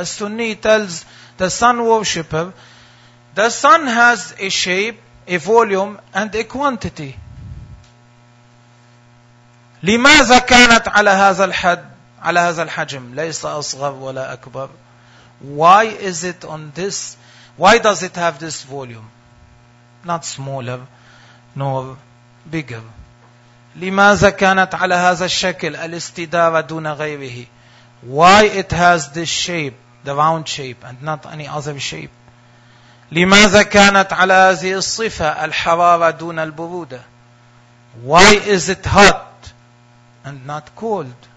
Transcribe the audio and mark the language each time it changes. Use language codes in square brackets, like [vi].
[en] السني tells the sun worshipper, the sun has a shape, a volume, and a quantity. [ar] لماذا كانت على هذا الحد, على هذا الحجم, ليس أصغر ولا أكبر. [en] Why is it on this? Why does it have this volume? Not smaller nor bigger. [ar] لماذا كانت على هذا الشكل الاستدارة دون غيره? [en] Why it has this shape, the round shape, and not any other shape? [ar] لماذا كانت على هذه الصفة الحرارة دون البرودة? [en] Why is it hot and not cold?